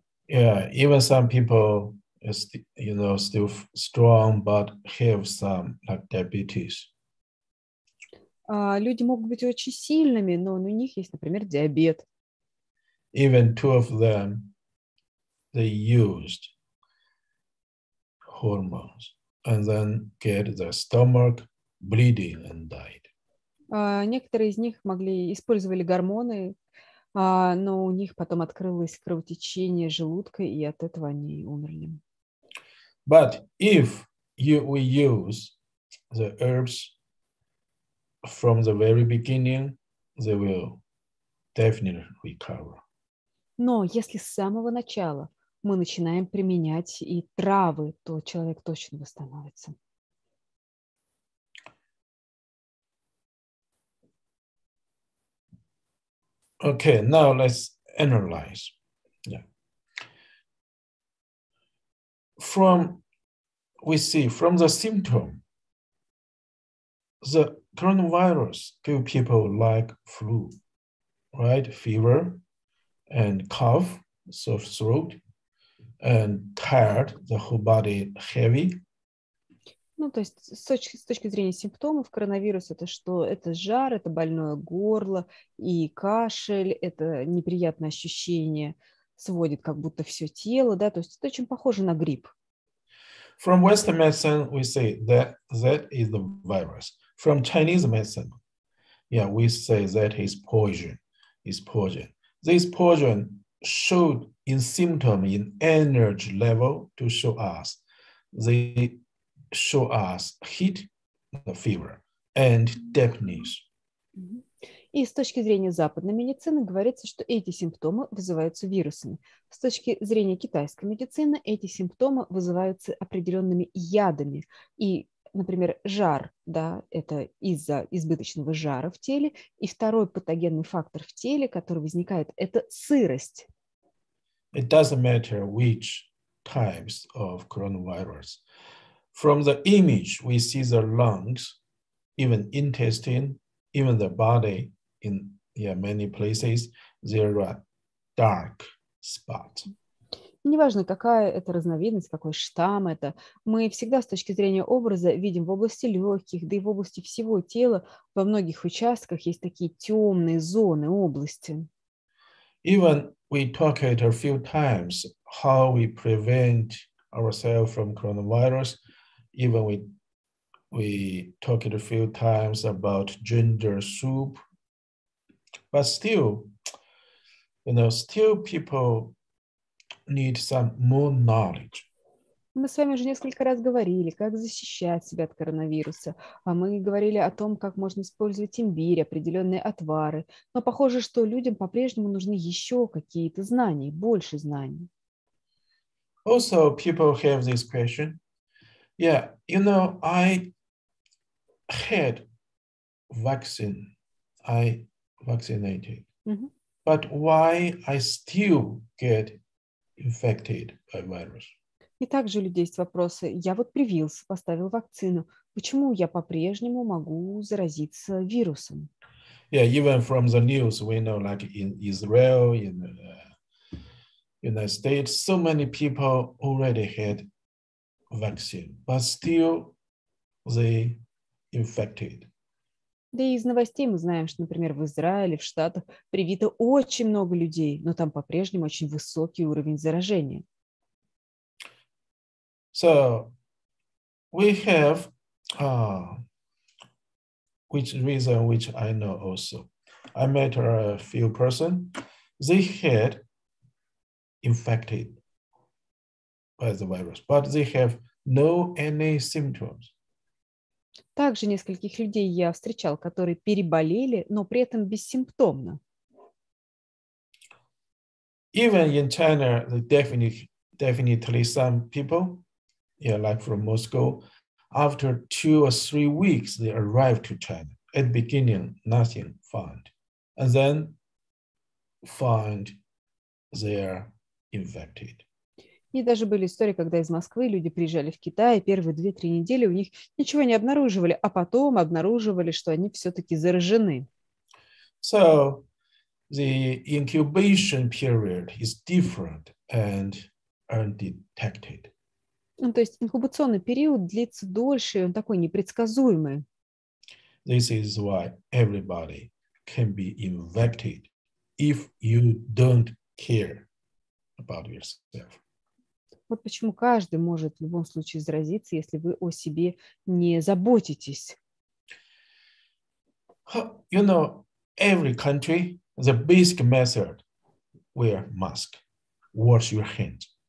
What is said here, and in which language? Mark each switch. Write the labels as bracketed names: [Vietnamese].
[English] Yeah, even some people, you know, still strong, but have some like diabetes. [Russian] Люди могут быть очень сильными, но у них есть, например, диабет. [English] Even two of them. They used hormones and then get the stomach bleeding and died. [Russian] Некоторые из них могли использовали гормоны, но у них потом открылось кровотечение желудка, и от этого они умерли. [English] But if we use the herbs from the very beginning, they will definitely recover. [Russian] Но если с самого начала мы начинаем применять и травы, то человек точно восстановится. [English] Okay, now let's analyze. Yeah. From the symptom, the coronavirus give people like flu, right? Fever and cough, sore throat. And tired, the whole body heavy. [Russian] Ну, то есть с точки зрения симптомов коронавируса, это что? Это жар, это больное горло и кашель, это неприятное ощущение, сводит как будто все тело, да, то есть это очень похоже на грипп. [English] From Western medicine, we say that is the virus. From Chinese medicine, yeah, we say that is poison. Is poison. This poison showed in symptom in energy level to show us. They show us heat, the fever, and deafness. [Russian] И с точки зрения западной медицины говорится, что эти симптомы вызываются вирусами. С точки зрения китайской медицины эти симптомы вызываются определенными ядами. И, например, жар, да, это из-за избыточного жара в теле. И второй патогенный фактор в теле, который возникает, это сырость. [English] It doesn't matter which types of coronavirus. From the image, we see the lungs, even intestine, even the body. In many places there are dark spots. [Russian] Неважно, какая это разновидность, какой штамм это, мы всегда с точки зрения образа видим в области легких, да и в области всего тела, во многих участках есть такие темные зоны, области. [English] Even we talk it a few times, how we prevent ourselves from coronavirus, even we talk it a few times about ginger soup, but still, you know, still people need some more knowledge. [Russian] Мы с вами уже несколько раз говорили, как защищать себя от коронавируса. А мы говорили о том, как можно использовать имбирь, определенные отвары. Но похоже, что людям по-прежнему нужны еще какие-то знания, больше знаний. [English] Also, people have this question. Yeah, you know, I had vaccine. I vaccinated. Mm-hmm. But why I still get infected by virus? [Russian] И также у людей есть вопросы. Я вот привился, поставил вакцину. Почему я по-прежнему могу заразиться вирусом? [English] Yeah, even from the news, we know like in Israel, in the United States, so many people already had vaccine, but still they infected. [Russian] Да и из новостей мы знаем, что, например, в Израиле, в Штатах привито очень много людей, но там по-прежнему очень высокий уровень заражения. [English] So we have which reason which I know also. I met a few person, they had infected by the virus, but they have no any symptoms. [Russian] Также нескольких людей я встречал, которые переболели, но при этом бессимптомно. [English] Even in China, definitely some people. Yeah, like from Moscow, after 2 or 3 weeks, they arrived to China. At the beginning, nothing found. And then found they are infected. [Russian] И даже были истории, когда из Москвы люди приезжали в Китай, и первые 2-3 недели у них ничего не обнаруживали, а потом обнаруживали, что они все-таки заражены. [English] So the incubation period is different and undetected. [Russian] Ну, то есть инкубационный период длится дольше, и он такой непредсказуемый. [English] This is why everybody can be infected if you don't care about yourself. [Russian] Вот почему каждый может в любом случае заразиться, если вы о себе не заботитесь. [English] You know, every country, the basic method, wear mask, wash your hands.